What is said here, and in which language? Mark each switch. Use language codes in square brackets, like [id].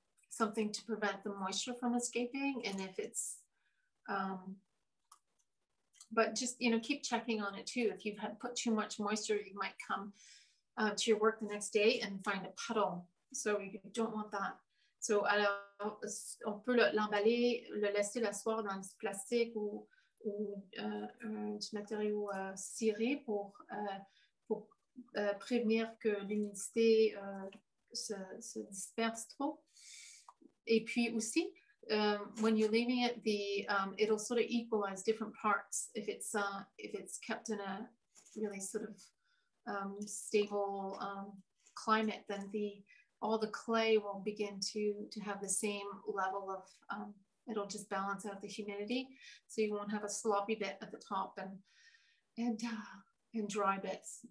[en] Something to prevent the moisture from escaping, and if it's but just, you know, keep checking on it too. If you've had put too much moisture, you might come to your work the next day and find a puddle, so you don't want that. So [fr] alors, on peut l'emballer, le laisser l'asseoir dans du plastique ou du matériau ciré pour prévenir que l'humidité se disperse trop. Et puis aussi, [en] when you're leaving it, it'll sort of equalize different parts if it's kept in a really sort of stable climate, then all the clay will begin to have the same level of it'll just balance out the humidity, so you won't have a sloppy bit at the top and dry bits.